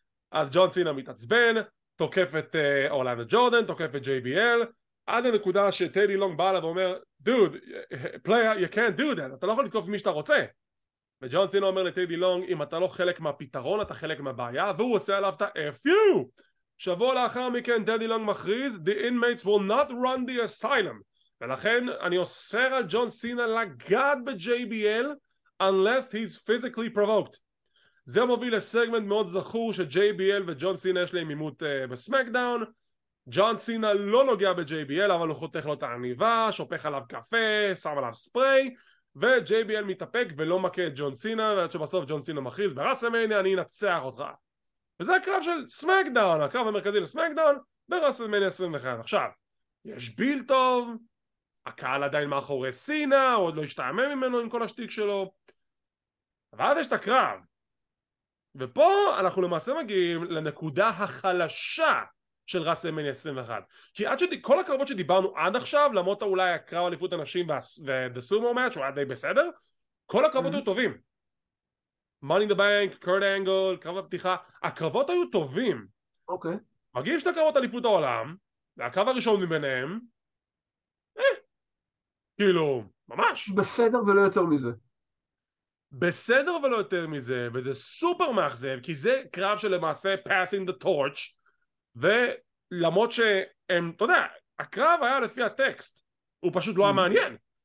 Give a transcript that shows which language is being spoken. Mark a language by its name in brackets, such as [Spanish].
[Hebrew] אז ג'ון סינה מתעצבן, תוקף את אורלנדו ג'ורדן, תוקף את JBL, עד הנקודה שטדי לונג בא לה ואומר, [English] dude, player, you can't do that, [Hebrew] אתה לא יכול לתקוף מי שאתה רוצה. וג'ון סינה אומר לטדי לונג, אם אתה לא חלק מהפתרון, אתה חלק מהבעיה, והוא עושה עליו את ה-FU! שבוע לאחר מכן, טדי לונג מכריז, [English] the inmates will not run the asylum. [Hebrew] ולכן, אני אוסר על ג'ון סינה לגעת ב-JBL, [English] unless he's physically provoked. [Hebrew] זה מוביל לסגמנט מאוד זכור, ש-JBL וג'ון סינה יש להם עימות בסמקדאון. ג'ון סינה לא נוגע ב-JBL, אבל הוא חותך לו את העניבה, שופך עליו קפה, שם עליו ספרי, ו-JBL מתאפק ולא מכה את ג'ון סינה, ועד שבסוף ג'ון סינה מכריז ברסלמניה אני אנצח אותך. וזה הקרב של סמקדאון, הקרב המרכזי לסמקדאון ברסלמניה 21. עכשיו יש ביל טוב, הקהל עדיין מאחורי סינה, הוא עוד לא השתעמם ממנו עם כל השטיק שלו, ואז יש את הקרב, ופה אנחנו למעשה מגיעים לנקודה החלשה של רסלמניה 21. כי עד כל הקרבות שדיברנו עד עכשיו, למרות אולי הקרב אליפות הנשים ו-The Sumo Match, הוא היה די בסדר, כל הקרבות היו טובים. Money in the Bank, Kurt Angle, קרב הפתיחה, הקרבות היו טובים. אוקיי. מגיעים שתי קרבות אליפות העולם, והקרב הראשון מביניהם, כאילו, ממש. בסדר ולא יותר מזה. בסדר ולא יותר מזה, וזה סופר מאכזב, כי זה קרב שלמעשה [English] passing the torch, [Hebrew] ולמרות שהם, אתה יודע, הקרב היה לפי הטקסט, הוא פשוט לא היה מעניין.